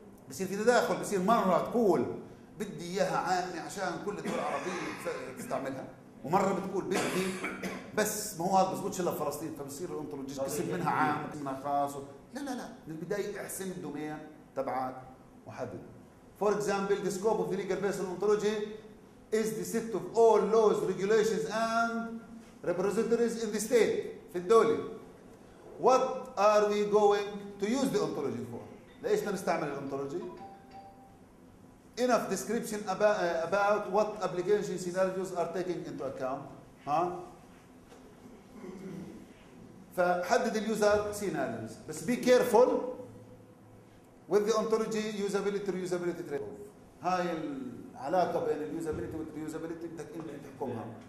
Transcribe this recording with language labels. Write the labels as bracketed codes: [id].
[ar] بصير في تداخل، بصير مرة تقول بدي إياها عامة عشان كل الدول العربية تستعملها، ومرة بتقول بدي بس ما هو هذا بزبطش إلا فلسطين، فبصير الأنتولوجي كسب منها عام كسبنا خاص. لا لا لا، من البداية احسن الدومين تبعك وحدد. [en] For example, the scope of the legal basis of ontology is the set of all laws, regulations and representatives in the state. [ar] في الدولة. [en] What are we going to use the ontology for? [ar] ليش نستعمل الانتولوجي؟ [en] Enough description about what application scenarios are taking into account. [ar] فحدد اليوزر سيناريوز. [en] بس be careful with the ontology usability reusability trade-off. [ar] هاي العلاقة بين اليوزابيليتي والريوزابيليتي بدك انت تحكمها.